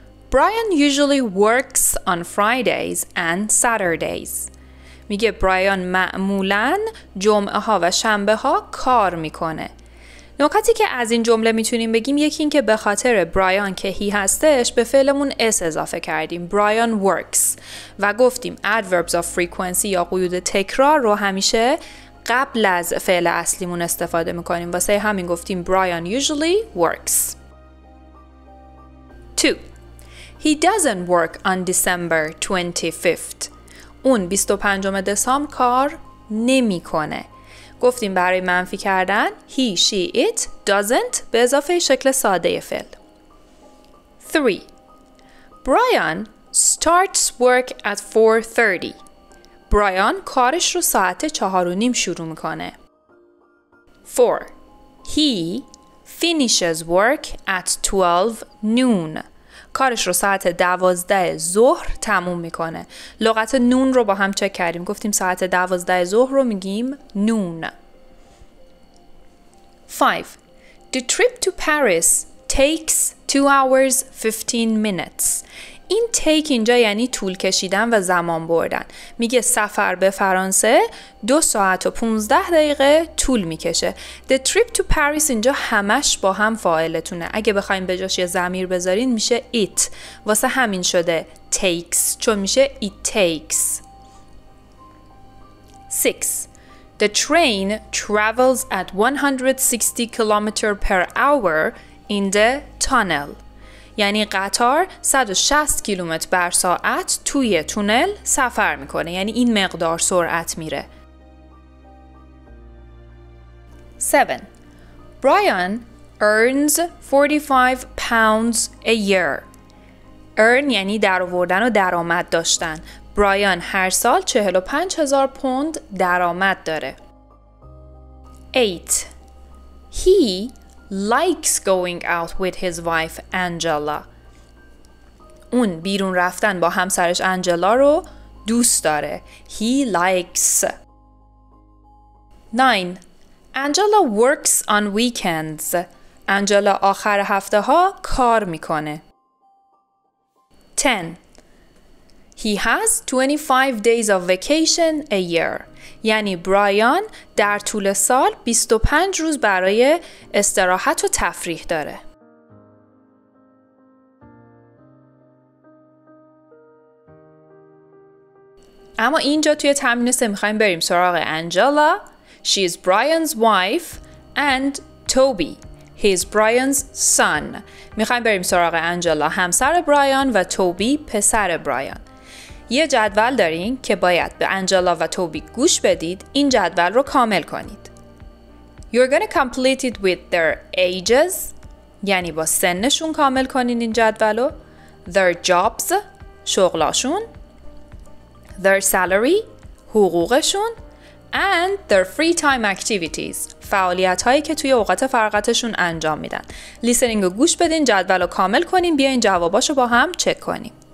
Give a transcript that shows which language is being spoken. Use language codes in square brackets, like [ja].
[en] Brian usually works on Fridays and Saturdays. [fa] میگه برایان معمولاً جمعه ها و شنبه ها کار میکنه. نکاتی که از این جمله میتونیم بگیم، یکی این که به خاطر برایان که هی هستش به فعلمون اس اضافه کردیم، برایان works، و گفتیم adverbs of frequency یا قیود تکرار رو همیشه قبل از فعل اصلیمون استفاده میکنیم، واسه همین گفتیم [en] Brian usually works. 2. He doesn't work on December 25th. [fa] اون 25 دسامبر کار نمی کنه. گفتیم برای منفی کردن he, she, it, doesn't به اضافه شکل ساده فعل. [en] 3. Brian starts work at 4:30. [fa] برایان کارش رو ساعت 4:30 شروع میکنه. [en] 4. He finishes work at 12 noon. [fa] کارش رو ساعت 12 ظهر تموم میکنه. لغت نون رو با هم چک کردیم، گفتیم ساعت 12 ظهر رو میگیم نون. [en] 5. The trip to Paris takes 2 hours 15 minutes. [fa] این take اینجا یعنی طول کشیدن و زمان بردن. میگه سفر به فرانسه 2 ساعت و 15 دقیقه طول میکشه. [en] The trip to Paris [fa] اینجا همش با هم فاعلتونه. اگه بخوایم به جاش یه ضمیر بذارین میشه it. واسه همین شده takes، چون میشه it takes. [en] 6. The train travels at 160 km per hour in the tunnel. [fa] یعنی قطار 160 کیلومتر بر ساعت توی تونل سفر میکنه، یعنی این مقدار سرعت میره. [en] 7. Brian earns 45 pounds a year. [fa] Earn یعنی درآوردن و درآمد داشتن. برایان هر سال 45 هزار پوند درآمد داره. [en] 8. He likes going out with his wife Angela. [fa] اون بیرون رفتن با همسرش انجلا رو دوست داره. [en] He likes. 9. Angela works on weekends. [fa] انجلا آخر هفته ها کار میکنه. [en] 10. He has 25 days of vacation a year. [fa] یعنی برایان در طول سال 25 روز برای استراحت و تفریح داره. اما اینجا توی تمرین 3 میخواییم بریم سراغ انجلا. [en] She is Brian's wife and Toby. He is Brian's son. [fa] میخواییم بریم سراغ انجلا، همسر برایان، و توبی پسر برایان. یه جدول دارین که باید به انجلا و توبی گوش بدید، این جدول رو کامل کنید. [en] You're gonna complete it with their ages، [fa] یعنی با سنشون کامل کنین این جدولو. [en] Their jobs، [fa] شغلاشون. [en] Their salary، [fa] حقوقشون. [en] And their free time activities، [fa] فعالیت هایی که توی اوقات فراغتشون انجام میدن. لیسنینگ رو گوش بدین، جدول رو کامل کنین، بیاین جواباشو با هم چک کنیم.